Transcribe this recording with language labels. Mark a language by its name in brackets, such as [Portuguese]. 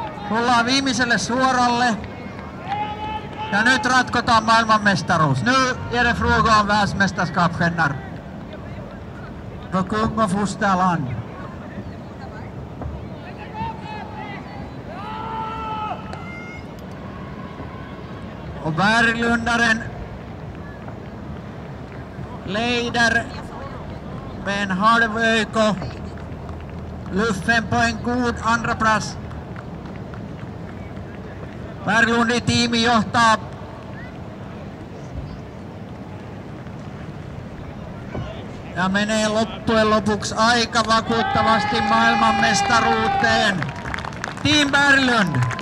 [Finnish] Ollaan viimeiselle suoralle. Ja nyt ratkotaan maailmanmestaruus. [Swedish] Nu är det fråga om världsmästerskapsskennar. På kung och fosterland. Och Berglundaren leder med en halv öko. Luffen på en god andra plats. [Finnish] Berglund i teami johtaa. Ja menee loppujen lopuksi aika vakuuttavasti maailmanmestaruuteen. Team Berglund.